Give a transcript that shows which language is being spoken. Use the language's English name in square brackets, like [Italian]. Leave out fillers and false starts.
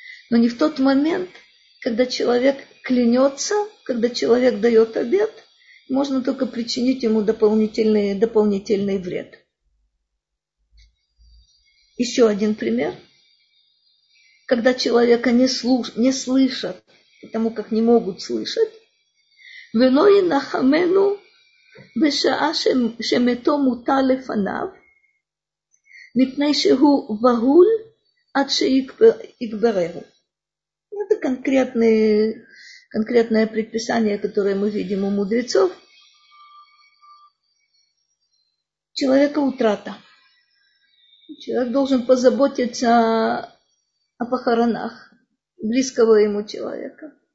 [Russian] Но не в тот момент, когда человек клянется, когда человек дает обет, можно только причинить ему дополнительный вред. Еще один пример. Когда человека не слышат, потому как не могут слышать, [Hebrew] ולא ינחמנו בשעה שמתו מוטל לפניו, מפני שהוא בהול עד שיתבררו. [Russian] Это конкретное предписание, которое мы видим у мудрецов. Человека утрата. Человек должен позаботиться о похоронах близкого ему человека.